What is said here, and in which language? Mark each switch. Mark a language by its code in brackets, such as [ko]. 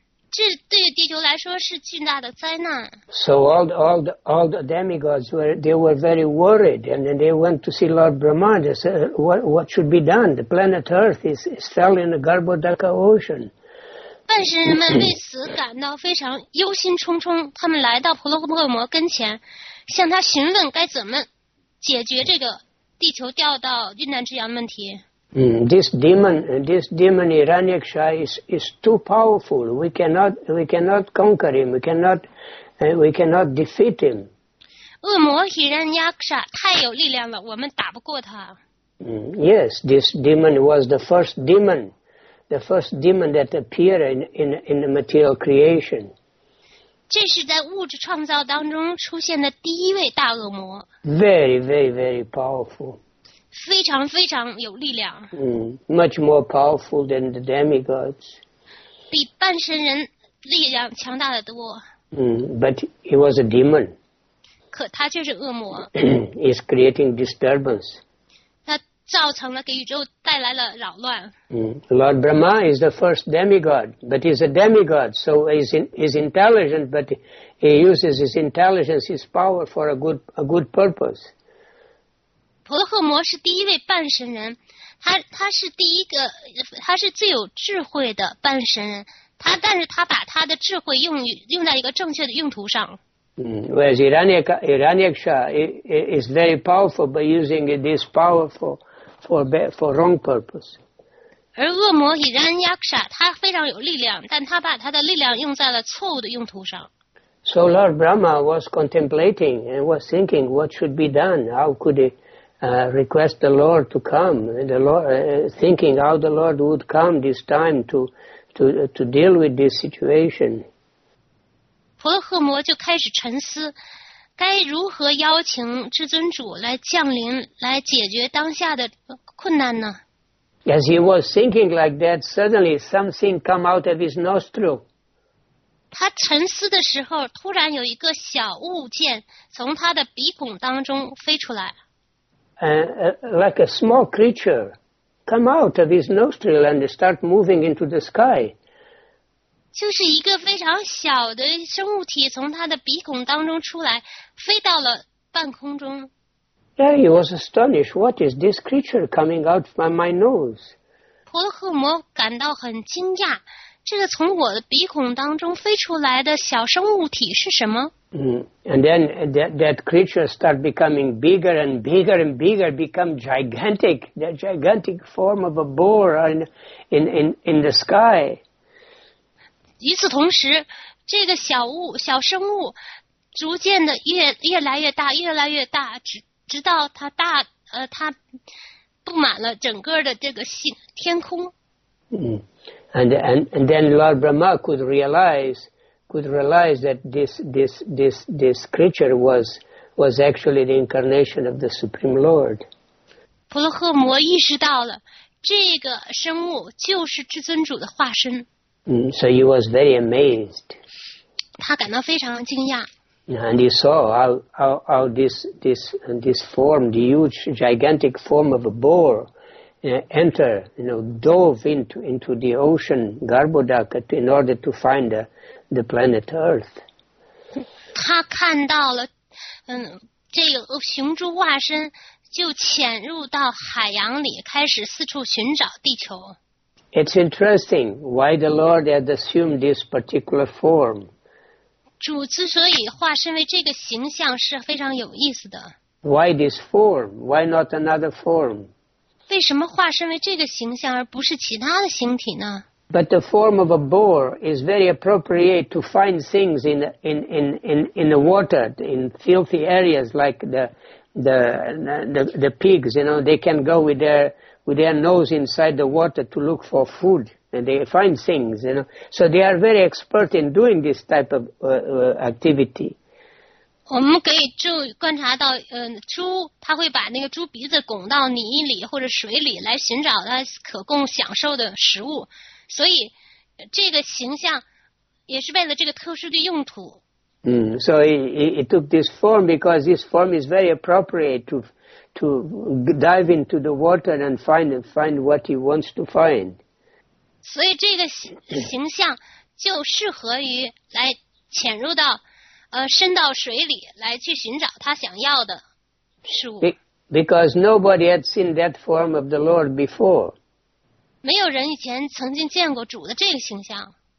[zh] 这对地球来说是巨大的灾难。 [en] So all the demigods were very worried, and then they went to see Lord Brahma. They said, what should be done? The planet Earth is fell in the Garbhodaka Ocean. [zh] 半神人们为此感到非常忧心忡忡，他们来到婆罗婆摩跟前，向他询问该怎么解决这个地球掉到印旦之洋的问题。 [en] This demon Hiranyaksha is too powerful. We cannot conquer him. We cannot defeat him. [zh] 恶魔 Hiranyaksha 太有力量了，我们打不过他。 [en] Yes, this demon was the first demon that appeared in the material creation. [zh] 这是在物质创造当中出现的第一位大恶魔。 [en] Very, very, very powerful. [zh] 非常非常有力量。 [en] Much more powerful than the demigods. [zh] 比半神人力量强大的多。 [en] But he was a demon. [zh] 可他却是恶魔。 [en] He's creating disturbance. [zh] 他造成了给宇宙带来了扰乱。 [en] Lord Brahma is the first demigod, but he's a demigod, so he's intelligent, but he uses his intelligence, his power for a good purpose. [zh] 婆罗诃摩是第一位半神人，他是第一个，他是最有智慧的半神人。但是他把他的智慧用在一个正确的用途上。 [en] Whereas Hiranyaksha is very powerful, but using this power for wrong purpose. [zh] 而恶魔以然亚克沙，他非常有力量，但他把他的力量用在了错误的用途上。 [en] So Lord Brahma was contemplating and was thinking what should be done. How could he request the Lord to come? And the Lord, thinking how the Lord would come this time to deal with this situation. [zh] 婆罗诃摩就开始沉思，该如何邀请至尊主来降临，来解决当下的困难呢？ [en] As he was thinking like that, suddenly something came out of his nostril. [zh] 他沉思的时候，突然有一个小物件从他的鼻孔当中飞出来。 [en] Like a small creature come out of his nostril and start moving into the sky. [zh] 就是一个非常小的生物体从他的鼻孔当中出来，飞到了半空中。 [en] Yeah, he was astonished. What is this creature coming out from my nose? [zh] 婆罗诃摩感到很惊讶，这个从我的鼻孔当中飞出来的小生物体是什么？ [en] And then that creature start becoming bigger and bigger and bigger, become gigantic, the gigantic form of a boar in the sky. [zh] 与此同时，这个小生物逐渐的越来越大，越来越大，直到它大它布满了整个的这个天空。 [en] And then Lord Brahma could realize that this creature was actually the incarnation of the Supreme Lord. [zh] 婆罗诃摩意识到了这个生物就是至尊主的化身。 [en] So he was very amazed. [zh] 他感到非常惊讶。 [en] And he saw how this form, the huge, gigantic form of a boar, dove into the ocean, Garbhodaka, in order to find the planet Earth. [zh] 他看到了，这个雄猪化身就潜入到海洋里，开始四处寻找地球。 [en] It's interesting why the Lord had assumed this particular form. [zh] 主之所以化身为这个形象是非常有意思的。 [en] Why this form? Why not another form? [zh] 为什么化身为这个形象而不是其他的形体呢？ [en] But the form of a boar is very appropriate to find things in the water, in filthy areas like the pigs. You know, they can go with their nose inside the water to look for food. And they find things, you know. So they are very expert in doing this type of activity. [zh] 我们可以注观察到，猪它会把那个猪鼻子拱到泥里或者水里来寻找它可供享受的食物。所以这个形象也是为了这个特殊的用途。 [en] So he took this form because this form is very appropriate to dive into the water and find what he wants to find. [zh] 所以这个形象就适合于来潜入到深到水里来去寻找他想要的事物。 [en] Because nobody had seen that form of the Lord before. [zh] 没有人以前曾经见过主的这个形象。